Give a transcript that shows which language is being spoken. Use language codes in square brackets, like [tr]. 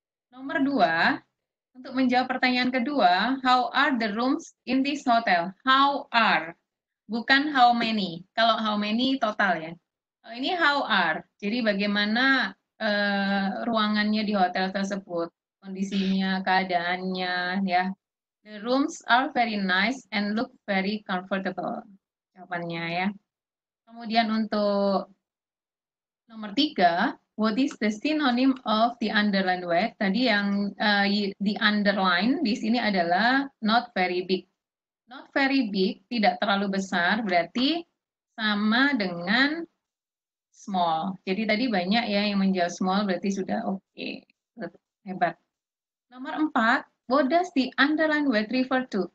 [id] Nomor dua, untuk menjawab pertanyaan kedua, [en] how are the rooms in this hotel? [id] How are, bukan how many. Kalau how many total ya. Oh, ini how are, jadi bagaimana ruangannya di hotel tersebut, kondisinya, keadaannya, ya. [en] The rooms are very nice and look very comfortable. [id] Jawabannya, ya. Kemudian untuk nomor tiga, [en] what is the synonym of the underlined word? [id] Tadi yang the underline di sini adalah [en] not very big. Not very big, [id] tidak terlalu besar, berarti sama dengan small. Jadi tadi banyak ya yang menjawab small, berarti sudah oke. Okay. Hebat. [en] Nomor empat, what does the underlined word refer to?